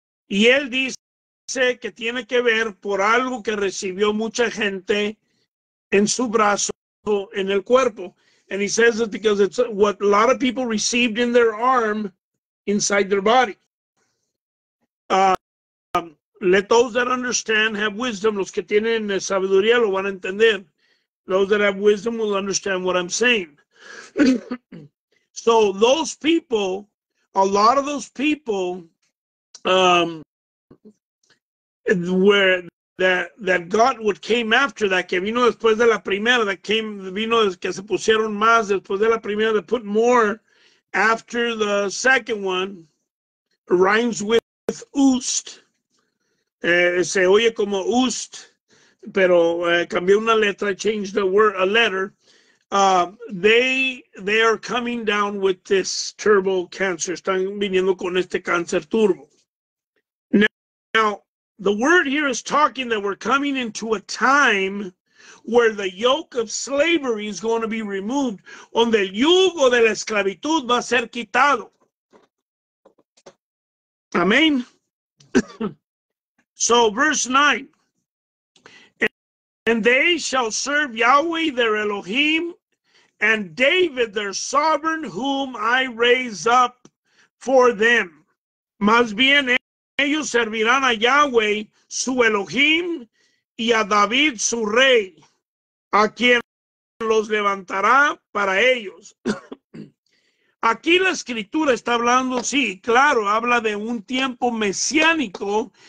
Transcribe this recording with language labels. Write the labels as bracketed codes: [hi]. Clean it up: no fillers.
[es] Y él dice que tiene que ver por algo que recibió mucha gente en su brazo, en el cuerpo. [en] And he says that because it's what a lot of people received in their arm, inside their body. Let those that understand have wisdom. [es] Los que tienen sabiduría lo van a entender. [en] Those that have wisdom will understand what I'm saying. So those people, a lot of those people, where that got what came after that, [es] que vino después de la primera, [en] that came, [es] vino que se pusieron más después de la primera, [en] that put more after the second one, rhymes with oost. [es] Se oye como oost, pero cambié una letra, [en] changed the word, a letter. They are coming down with this turbo cancer. [es] Están viniendo con este cáncer turbo. [en] Now, the word here is talking that we're coming into a time where the yoke of slavery is going to be removed. [es] Donde el yugo de la esclavitud va a ser quitado. [en] Amén. So, verse 9. And they shall serve Yahweh their Elohim and David their sovereign whom I raise up for them. [es] Más bien, ellos servirán a Yahweh su Elohim y a David su rey, a quien los levantará para ellos. Aquí la escritura está hablando, sí, claro, habla de un tiempo mesiánico.